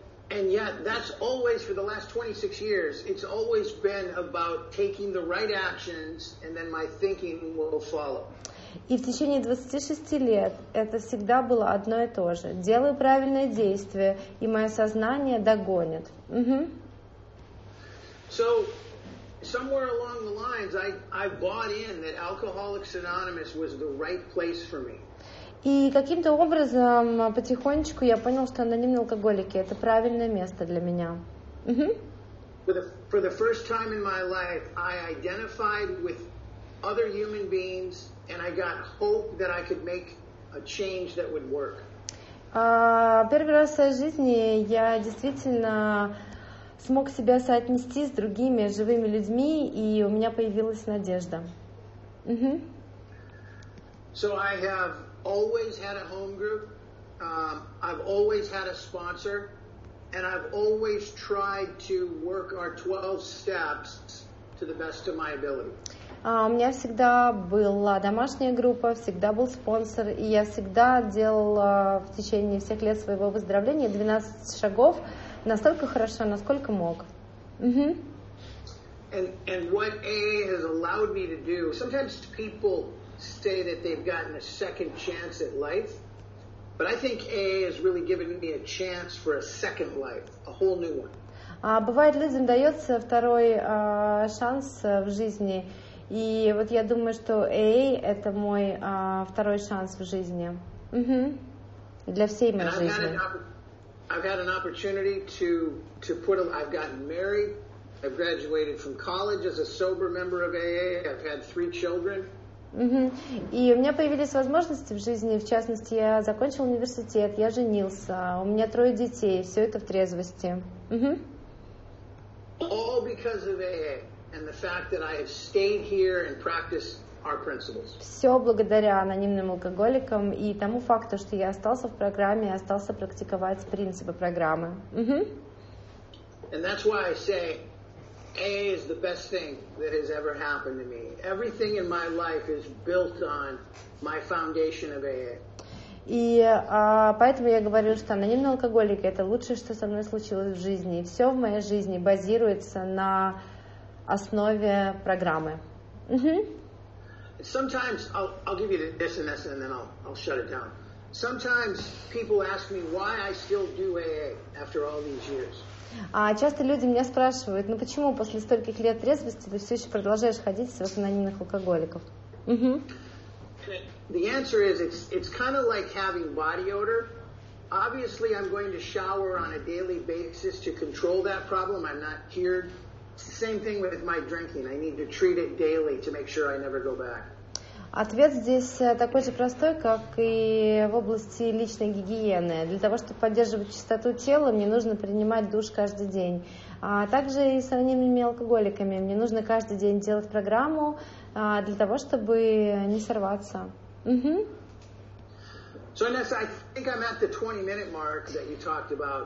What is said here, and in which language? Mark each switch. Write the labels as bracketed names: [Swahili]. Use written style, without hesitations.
[English] And yet that's always, for the last 26 years, it's always been about taking the right actions and then my thinking will follow. [Russian] И в течение 26 лет это всегда было одно и то же. Делаю правильное действие, и мое сознание догонит. [English] So somewhere along the lines I bought in that Alcoholics Anonymous was the right place for me. [Russian] И каким-то образом потихонечку я понял, что анонимные алкоголики — это правильное место для меня. [English] For the first time in my life I identified with other human beings and I got hope that I could make a change that would work. [Russian] Первый раз в своей жизни я действительно смог себя соотнести с другими живыми людьми, и у меня появилась надежда. [English] So I have always had a home group. I've always had a sponsor, and I've always tried to work our 12 steps to the best of my ability. [Russian] У меня всегда была домашняя группа, всегда был спонсор, и я всегда делала в течение всех лет своего выздоровления 12 шагов настолько хорошо, насколько мог. [English] And what AA has allowed me to do, sometimes people say that they've gotten a second chance at life, but I think AA has really given me a chance for a second life, a whole new one. [Russian] Бывает, людям дается второй шанс в жизни, и вот я думаю, что AA — это мой второй шанс в жизни. Для всей моей жизни. [English] I've had an opportunity I've gotten married, I've graduated from college as a sober member of AA, I've had 3 children. [Russian] И у меня появились возможности в жизни, в частности, я закончил университет, я женился, у меня 3 детей, все это в трезвости. [English] All because of AA and the fact that I have stayed here and practiced our principles. [Russian] Все благодаря анонимным алкоголикам и тому факту, что я остался в программе и остался практиковать принципы программы. [English] And that's why I say AA is the best thing that has ever happened to me. Everything in my life is built on my foundation of AA. [Russian] И поэтому я говорю, что анонимные алкоголики — это лучшее, что со мной случилось в жизни. И все в моей жизни базируется на основе программы. [English] Sometimes I'll give you this and this, and then I'll shut it down. Sometimes people ask me why I still do AA after all these years. [Russian] Часто люди меня спрашивают, ну почему после стольких лет трезвости ты все еще продолжаешь ходить среди анонимных алкоголиков? [English] The answer is it's kind of like having body odor. Obviously, I'm going to shower on a daily basis to control that problem. I'm not cured. Same thing with my drinking. I need to treat it daily to make sure I never go back. [Russian] Ответ здесь такой же простой, как и в области личной гигиены. Для того, чтобы поддерживать чистоту тела, мне нужно принимать душ каждый день. А также и с анонимными алкоголиками. Мне нужно каждый день делать программу для того, чтобы не сорваться. [English] So, Anessa, I think I'm at the 20-minute mark that you talked about.